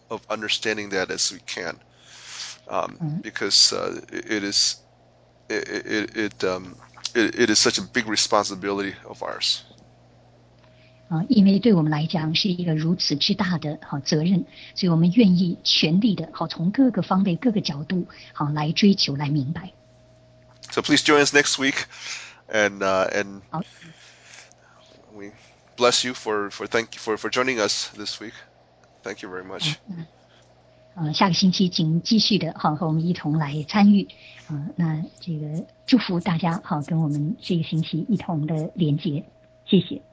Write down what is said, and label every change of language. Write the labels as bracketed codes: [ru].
[en] Of understanding that as we can, because it is such a big responsibility of ours. [zh] 因为对我们来讲是一个如此之大的责任，所以我们愿意全力的从各个方位各个角度来追求来明白。 [en] So please join us next week and we bless you for joining us this week. Thank you very much. [zh] 下个星期请继续的和我们一同来参与，那这个祝福大家跟我们这个星期一同的连结，谢谢。